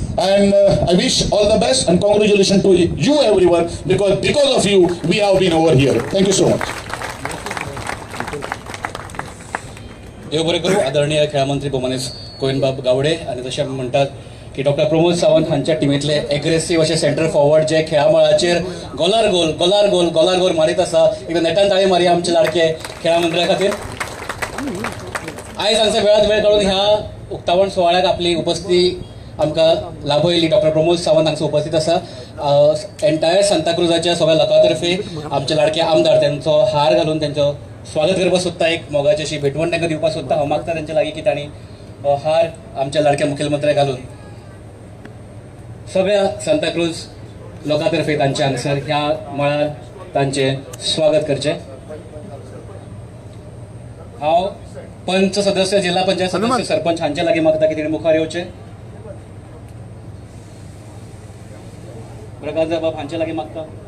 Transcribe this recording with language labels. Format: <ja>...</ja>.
<en>And I wish all the best and congratulations to you everyone because of you we have been over here. Thank you so much.</en> <gom>देव बरे करू. आदरणीय खेळामंत्री बोमनेस कोयनबाब गावडे आणि जसे म्हणतात की डॉक्टर प्रमोद सावंत हांच्या टीमेतले एग्रेसिव्ह असे सेंटर फॉरवर्ड जे खेळामळाचेर गोलार गोल मारीत असा एकदा नेटान ताळी मारी आमचे लाडके खेळामंत्र्या खातीर. आयज हांगा वेळात वेळ काढून ह्या उक्तावण सुवाळ्याक आपली उपस्थिती आमकां लाभयली. डॉक्टर प्रमोद सावंत हांगा उपस्थित असा. एंटायर सांताक्रुजाच्या सगळ्या लोकांतर्फे आमचे लाडके आमदार त्यांचो हार घालून त्यांचो स्वागत करपा सोदता. एक मोगाची अशी भेटवण तांकां दिवपाक सोदता. हांव मागता तांच्या लागीं की तांणी हार आमच्या लाडक्या मुखेलमंत्र्याक घालून सगळ्या सांताक्रूज लोकांतर्फे तांचे हांगासर ह्या मळार तांचे स्वागत करचे. हांव पंच सदस्य जिल्हा पंचायत सदस्य सरपंच हांचे लागीं मागता की तिणें मुखार येवचे. प्रकाश बाब हांचे लागीं मागता.</gom>